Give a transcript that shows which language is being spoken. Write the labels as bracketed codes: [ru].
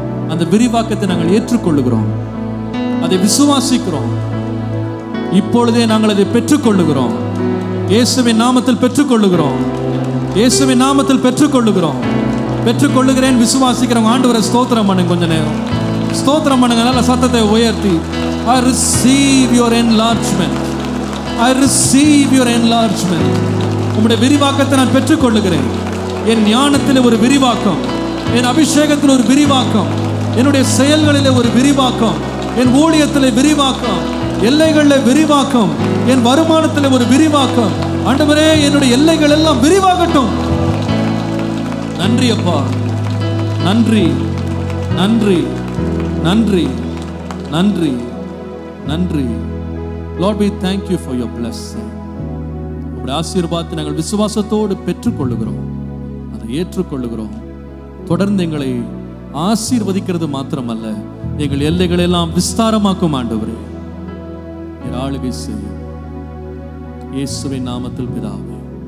[ta] அந்த விரிவாக்கத்தை நாங்கள் ஏற்றுக்கொள்ளுகிறோம், அதை விசுவாசிக்கிறோம். இப்பொழுதே நாங்கள் அதை பெற்றுக்கொள்ளுகிறோம், இயேசுவின் நாமத்தில் பெற்றுக்கொள்ளுகிறோம், இயேசுவின் நாமத்தில் பெற்றுக்கொள்ளுகிறோம். பெற்றுக்கொள்ளுகிறேன் விசுவாசிக்கிறவங்க ஆண்டவரை ஸ்தோத்திரம் பண்ணுங்க, கொஞ்ச நேரம் ஸ்தோத்திரம் பண்ணுங்க, நல்ல சத்தத்தை உயர்த்தி. [en] I receive your enlargement. I receive your enlargement. [ta] உம்முடைய விரிவாக்கத்தை நான் பெற்றுக்கொள்ளுகிறேன். என் ஞானத்தில் ஒரு விரிவாக்கம், என் அபிஷேகத்தில் ஒரு விரிவாக்கம், என்னுடைய செயல்களில் ஒரு விரிவாக்கம், என் ஊழியத்தில் விரிவாக்கம், எல்லைகளில் விரிவாக்கம், என் வருமானத்தில் ஒரு விரிவாக்கம். ஆண்டவரே, என்னுடைய எல்லைகள் எல்லாம் விரிவாகட்டும். நன்றி அப்பா, நன்றி, நன்றி, நன்றி, நன்றி, நன்றி. [en] Lord, we thank you for your blessing. [ta] உம்முடைய ஆசீர்வாதத்தை நாங்கள் விசுவாசத்தோடு பெற்றுக்கொள்ளுகிறோம், அதை ஏற்றுக்கொள்ளுகிறோம். தொடர்ந்து எங்களை ஆசீர்வதிக்கிறது மாத்திரமல்ல, எங்கள் எல்லைகளை எல்லாம் விஸ்தாரமாக்கும் ஆண்டவரே. ஆளுகை செய்யும் இயேசுவின் நாமத்தில் பிதாவே.